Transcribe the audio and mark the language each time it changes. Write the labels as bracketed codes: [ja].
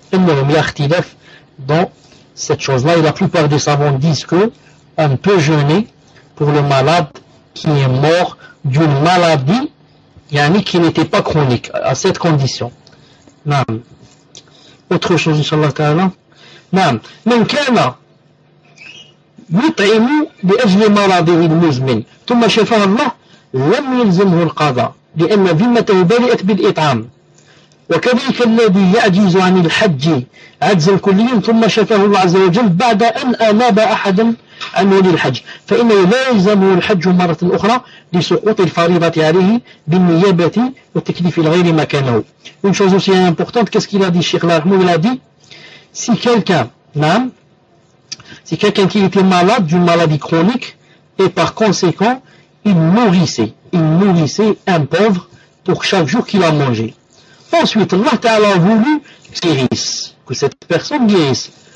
[fr] Et nous avons l'artilef dans cette chose-là, et la plupart des savants disent que on peut jeûner pour le malade qui est mort d'une maladie, yani, qui n'était pas chronique, à cette condition. Non. Autre chose, inshallah ta'ala. Non. [ar] Mais qu'il y a, يطعم لأجل مرضه المزمن ثم شفاه الله لم يلزمه القضاء لأن ذمته بريئة بالإطعام وكذلك الذي يعجز عن الحج عجز الكلي ثم شفاه الله عز وجل بعد أن أناب أحدا عن ولي الحج فإنه لا يلزمه الحج مرة أخرى لسقوط الفريضة عليه بالنيابة والتكليف الغير مكانه. [fr] Une chose aussi importante, qu'est-ce qu'il a dit Cheikh Al-Rahmoud? Il a dit, si quelqu'un, non, si quelqu'un qui était malade d'une maladie chronique et par conséquent il nourrissait un pauvre pour chaque jour qu'il a mangé. Ensuite, Allah Ta'ala a voulu guérisse, que cette personne guérisse.